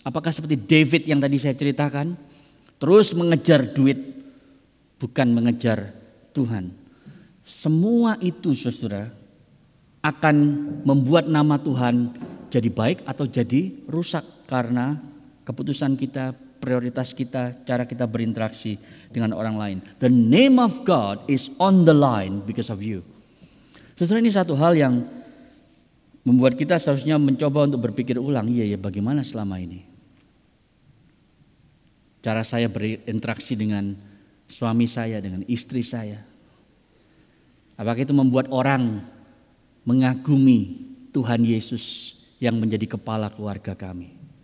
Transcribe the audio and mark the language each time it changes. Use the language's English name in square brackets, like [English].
[Indonesian] Apakah seperti David yang tadi saya ceritakan? Terus mengejar duit, bukan mengejar Tuhan. Semua itu, saudara, akan membuat nama Tuhan jadi baik atau jadi rusak karena keputusan kita, prioritas kita, cara kita berinteraksi dengan orang lain. [English] The name of God is on the line because of you. [Indonesian] Saudara, ini satu hal yang membuat kita seharusnya mencoba untuk berpikir ulang. Iya, bagaimana selama ini? Cara saya berinteraksi dengan suami saya, dengan istri saya. Apakah itu membuat orang mengagumi Tuhan Yesus yang menjadi kepala keluarga kami?